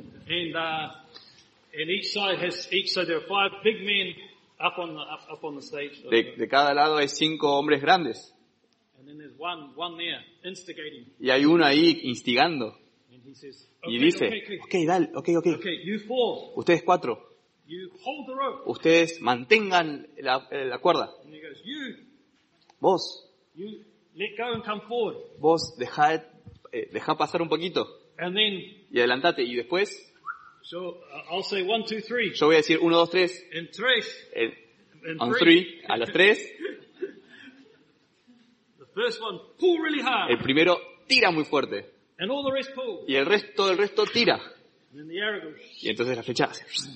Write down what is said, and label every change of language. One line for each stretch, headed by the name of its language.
English: And each side has each side there are five big men up on the stage.
Spanish: De cada lado hay cinco hombres grandes.
English: And then there's one there instigating.
Spanish: Y hay uno ahí instigando.
English: And he says,
Spanish: y dice,
English: okay, you four.
Spanish: Ustedes cuatro.
English: You hold the rope.
Spanish: Ustedes mantengan la cuerda.
English: And he goes, you.
Spanish: Vos.
English: You let go and come forward.
Spanish: Vos deja pasar un poquito.
English: And then,
Spanish: y adelantate y después.
English: So I'll say one, two, three.
Spanish: Yo voy a decir 1, 2, 3. En 3.
English: On 3.
Spanish: A las 3.
English: The first one, pull really hard.
Spanish: El primero tira muy fuerte.
English: And all the rest pull.
Spanish: Y el resto tira.
English: And then the arrow goes.
Spanish: Y entonces la flecha hace.